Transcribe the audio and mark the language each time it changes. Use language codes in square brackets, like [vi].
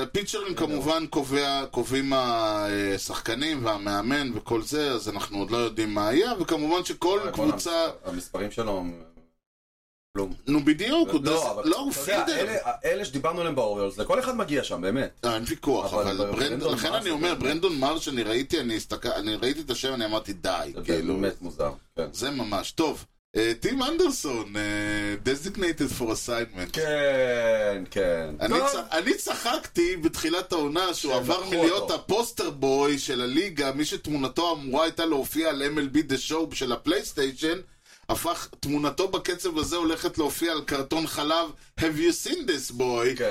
[he] פיצ'רים כמובן קובעים השחקנים והמאמן וכל זה, אז אנחנו עוד לא יודעים מה היה, וכמובן שכל קבוצה... המספרים שלו... נו בדיוק, לא הוא פידר. אלה שדיברנו עליהם באוריולס, לכל אחד מגיע שם, באמת. אין ויכוח, אבל לכן אני אומר, ברנדון מרש, אני ראיתי את השם, אני אמרתי די. זה באמת מוזר. זה ממש, טוב. טים אנדרסון, designated for assignment. כן, כן. אני צחקתי בתחילת העונה שהוא עבר מלהיות הפוסטר בוי של הליגה, מי שתמונתו אמורה הייתה להופיע על MLB The Show של הפלייסטיישן, הפך תמונתו בקצב הזה הולכת להופיע על קרטון חלב, [en] have you seen this boy?